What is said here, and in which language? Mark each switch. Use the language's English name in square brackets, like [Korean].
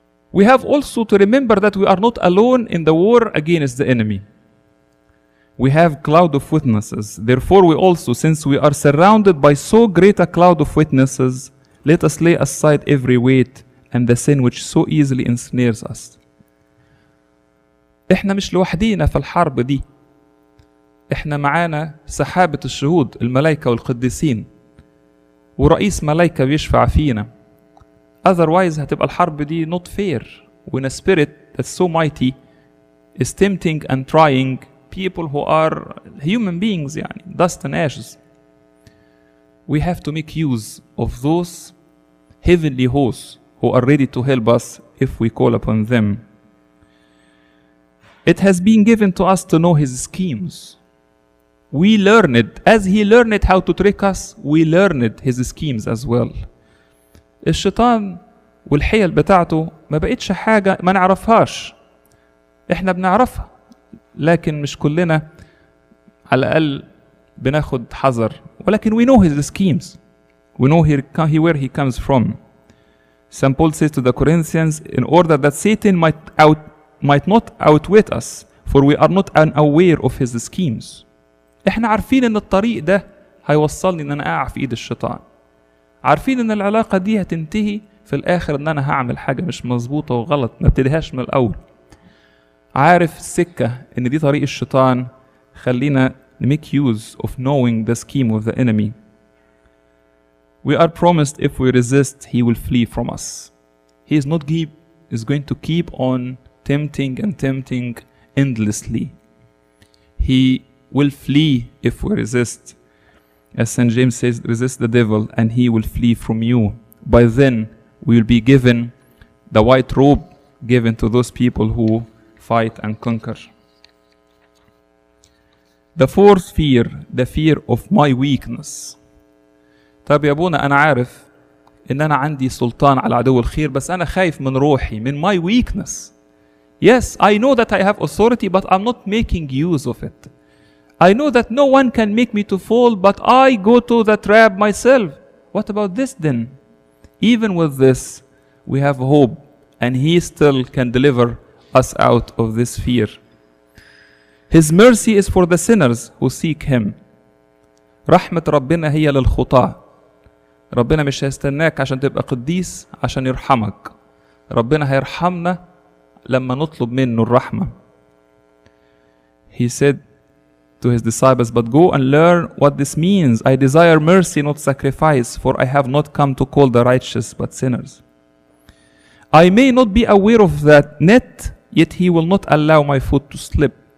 [English] We have also to remember that we are not alone in the war against the enemy. We have a cloud of witnesses. Therefore, we also, since we are surrounded by so great a cloud of witnesses, let us lay aside every weight and the sin which so easily ensnares us. [Arabic] احنا مش لوحدينا في الحرب دي. احنا معانا سحابة الشهود الملائكة والقديسين ورئيس ملائكة بيشفع فينا. [English] Otherwise, [Arabic] هتبقى الحرب دي [English] not fair when a spirit that's so mighty is tempting and trying people who are human beings, يعني, dust and ashes. We have to make use of those heavenly hosts who are ready to help us if we call upon them. It has been given to us to know his schemes. We learn it. As he learned how to trick us, we learned his schemes as well. [Arabic] الشيطان والحيل بتاعته ما بقتش حاجة ما نعرفهاش. احنا بنعرفها لكن مش كلنا على الأقل بناخد حذر. ولكن [English] we know his schemes. We know where he comes from. St. Paul says to the Corinthians, in order that Satan might not outwit us, for we are not unaware of his schemes. [Arabic] احنا عارفين ان الطريق ده هيوصلني ان انا اقع في ايد الشيطان. عارفين ان العلاقة دي هتنتهي في الاخر ان انا هعمل حاجة مش مظبوطة وغلط ما ابتديهاش من الاول. عارف السكة ان دي طريق الشيطان. خلينا [English] make use of knowing the scheme of the enemy. We are promised if we resist, he will flee from us. He is not going to keep on tempting and tempting endlessly. He will flee if we resist. As St. James says, resist the devil and he will flee from you. By then, we will be given the white robe given to those people who fight and conquer. The fourth fear, the fear of my weakness. [Arabic] طيب يا ابونا انا عارف ان انا عندي سلطان على عدو الخير بس انا خايف من روحي من [English] my weakness. Yes, I know that I have authority but I'm not making use of it. I know that no one can make me to fall but I go to the trap myself. What about this then? Even with this, we have hope and he still can deliver us out of this fear. His mercy is for the sinners who seek him. [Arabic] رحمة ربنا هي للخطاة. ربنا مش هيستناك عشان تبقى قديس عشان يرحمك. ربنا هيرحمنا لما نطلب منه الرحمة. [English] He said to his disciples, but go and learn what this means. I desire mercy, not sacrifice, for I have not come to call the righteous but sinners. I may not be aware of that net, yet he will not allow my foot to slip.